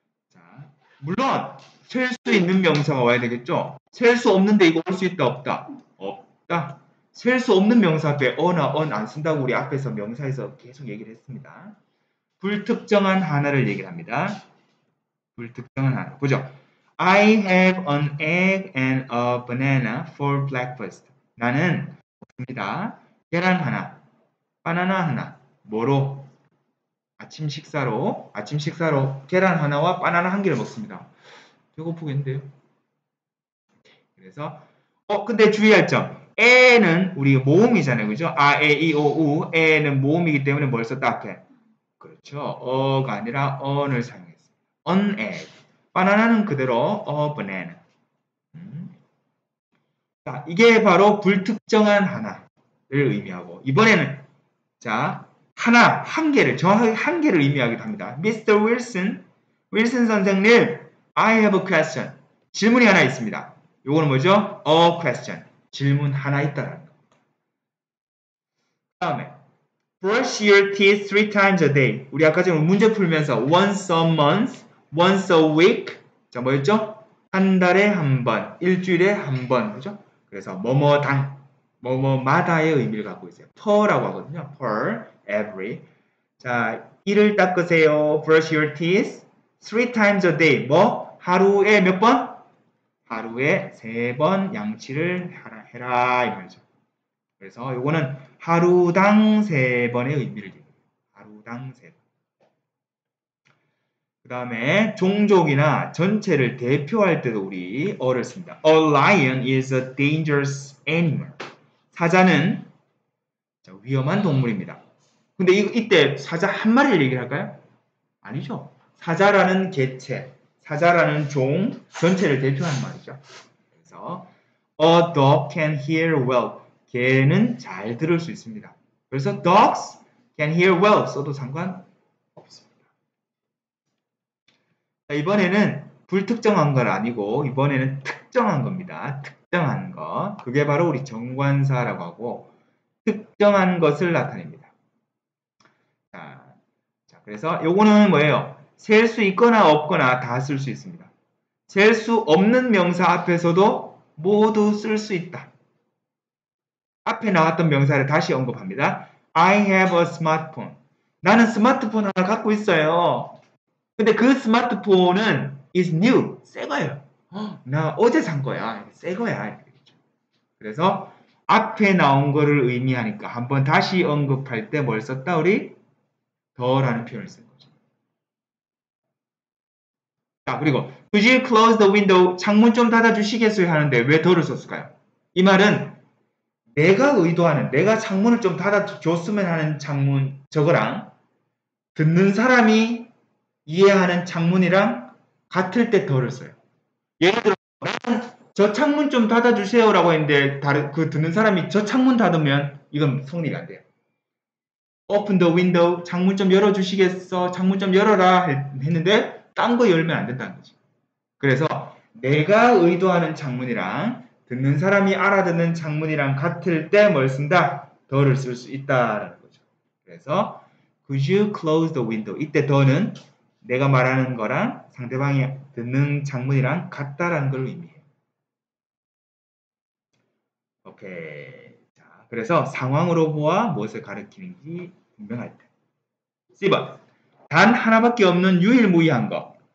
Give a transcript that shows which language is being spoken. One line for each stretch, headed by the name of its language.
Korean: 자, 물론 셀 수 있는 명사가 와야 되겠죠? 셀 수 없는데 이거 올 수 있다, 없다? 없다. 셀 수 없는 명사 앞에 어나 언 안 쓴다고 우리 앞에서 명사에서 계속 얘기를 했습니다. 불특정한 하나를 얘기를 합니다. 불특정한 하나. 보죠.
English: I have an egg and a banana for breakfast.
Korean: 나는 먹습니다. 계란 하나, 바나나 하나. 뭐로? 아침 식사로. 아침 식사로 계란 하나와 바나나 한 개를 먹습니다. 배고프겠는데요? 그래서 근데 주의할 점. A는 우리 모음이잖아요. 그죠? A, E, O, U. A는 모음이기 때문에 뭘 썼다 앞에? 그렇죠. 어가 아니라 언을 사용했어요.
English: An egg.
Korean: 바나나는 그대로
English: a banana.
Korean: 자, 이게 바로 불특정한 하나를 의미하고 이번에는 자, 하나, 한 개를 정확하게 한 개를 의미하기도 합니다.
English: Mr. Wilson, Wilson
Korean: 선생님,
English: I have a question.
Korean: 질문이 하나 있습니다. 요거는 뭐죠?
English: A question.
Korean: 질문 하나 있다라는 거. 다음에
English: Brush your teeth three times a day.
Korean: 우리 아까 전에 문제 풀면서
English: once a month, once a week.
Korean: 자, 뭐였죠? 한 달에 한 번, 일주일에 한 번. 그죠? 그래서 뭐뭐당, 뭐뭐마다의 의미를 갖고 있어요. per라고 하거든요. per, every. 자, 이를 닦으세요.
English: Brush your teeth three times a day.
Korean: 뭐? 하루에 몇 번? 하루에 세 번 양치를 해라. 이 말이죠. 그래서 요거는 하루당 세 번의 의미를 드립니다. 하루당 세 번. 그 다음에 종족이나 전체를 대표할 때도 우리 어를 씁니다.
English: A lion is a dangerous animal.
Korean: 사자는 위험한 동물입니다. 근데 이때 사자 한 마리를 얘기를 할까요? 아니죠. 사자라는 개체, 사자라는 종 전체를 대표하는 말이죠. 그래서
English: A dog can hear well.
Korean: 개는 잘 들을 수 있습니다. 그래서
English: dogs can hear well
Korean: 써도 상관없습니다. 자, 이번에는 불특정한 건 아니고 이번에는 특정한 겁니다. 특정한 거. 그게 바로 우리 정관사라고 하고 특정한 것을 나타냅니다. 자, 그래서 요거는 뭐예요? 셀 수 있거나 없거나 다 쓸 수 있습니다. 셀 수 없는 명사 앞에서도 모두 쓸 수 있다. 앞에 나왔던 명사를 다시 언급합니다.
English: I have a smartphone.
Korean: 나는 스마트폰 하나 갖고 있어요. 근데 그 스마트폰은
English: is new.
Korean: 새 거예요. 나 어제 산 거야. 새 거야. 그래서 앞에 나온 거를 의미하니까 한번 다시 언급할 때 뭘 썼다? 우리 더라는 표현을 쓴 거죠. 자, 그리고
English: Could you close the window?
Korean: 창문 좀 닫아주시겠어요? 하는데 왜 더를 썼을까요? 이 말은 내가 의도하는, 내가 창문을 좀 닫아줬으면 하는 창문 저거랑 듣는 사람이 이해하는 창문이랑 같을 때 더를 써요. 예를 들어, 나는 저 창문 좀 닫아주세요 라고 했는데 그 듣는 사람이 저 창문 닫으면 이건 성립이 안 돼요.
English: Open the window,
Korean: 창문 좀 열어주시겠어, 창문 좀 열어라 했는데 딴 거 열면 안 된다는 거지. 그래서 내가 의도하는 창문이랑 듣는 사람이 알아듣는 창문이랑 같을 때 뭘 쓴다? 더를 쓸 수 있다라는 거죠.
English: 그래서 Could you close the window?
Korean: 이때 더는 내가 말하는 거랑 상대방이 듣는 창문이랑 같다라는 걸 의미해요. 오케이. 자, 그래서 상황으로 보아 무엇을 가리키는지 분명할 때. 4번. 단 하나밖에 없는 유일무이한 거.